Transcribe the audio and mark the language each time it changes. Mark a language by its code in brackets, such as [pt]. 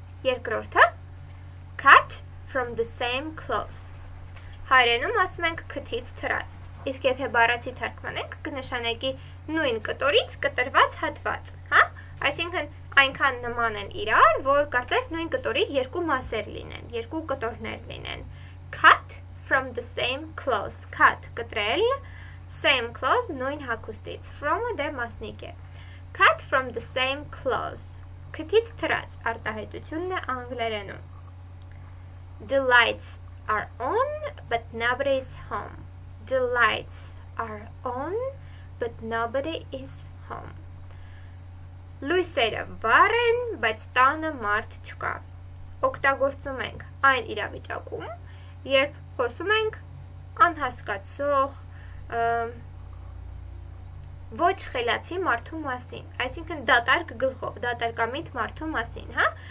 [hy] Երկրորդը cut from the same cloth, հայրենում ասում ենք քթից թրած, իսկ եթե բառացի թարգմանենք, կնշանակի նույն կտորից կտրված հատված, հա, այսինքն այնքան նման են իրար, որ կարծես նույն կտորի երկու մասեր լինեն, երկու կտորներ լինեն։ Cut from the same cloth, cut կտրել, same cloth նույն հագուստից, from-ը դե մասնիկ է, cut from the same cloth, քթից թրած արտահայտությունն է անգլերենում։ The lights are on, but nobody is home. [en] The lights are on, but nobody is home. [hy] Լույսերը բար են, բայց տանը մարդ չկա։ Օգտագործում ենք այն իրավիճակում, երբ խոսում ենք անհասկացող, ոչ խելացի մարդու մասին, այսինքն դատարկ գլխով, դատարկամիտ մարդու մասին, հա՞,